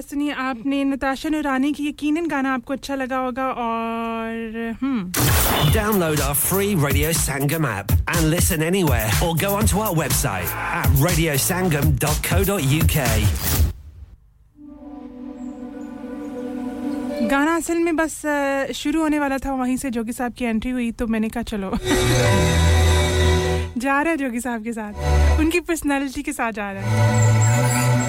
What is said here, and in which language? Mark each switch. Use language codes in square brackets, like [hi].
[ur] تاشا نورانی کی یقیناً گانا آپ کو اچھا لگا ہوگا اور [en] Download our free Radio Sangam app and listen anywhere or go onto our website at radiosangam.co.uk [ur] گانا اصل میں بس شروع ہونے والا تھا وہیں سے جوگی صاحب کی انٹری ہوئی تو میں نے کہا چلو جا رہا ہے جوگی صاحب کے ساتھ ان کی پرسنالٹی کے ساتھ جا رہا ہے